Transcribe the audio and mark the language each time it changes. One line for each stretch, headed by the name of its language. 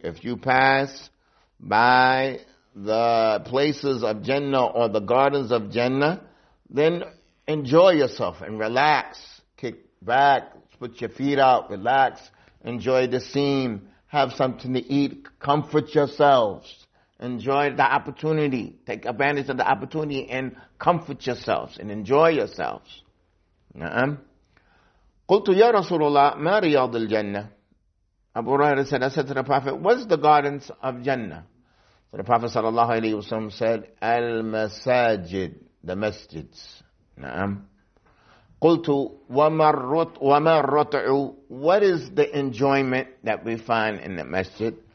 English: If you pass by the places of Jannah or the gardens of Jannah, then enjoy yourself and relax. Kick back, put your feet out, relax. enjoy the scene, have something to eat, comfort yourselves. Enjoy the opportunity. Take advantage of the opportunity and comfort yourselves and enjoy yourselves.
Arabic: نعم. قلت يا رسول الله ما رياض الجنة.
English: Abu Rahir said, I said to the Prophet, what's the gardens of Jannah? So the Prophet sallallahu alayhi wa sallam said, Al-Masajid, the masjids. نعم.
Arabic: قلت وما الرطع,
English: what is the enjoyment that we find in the masjid?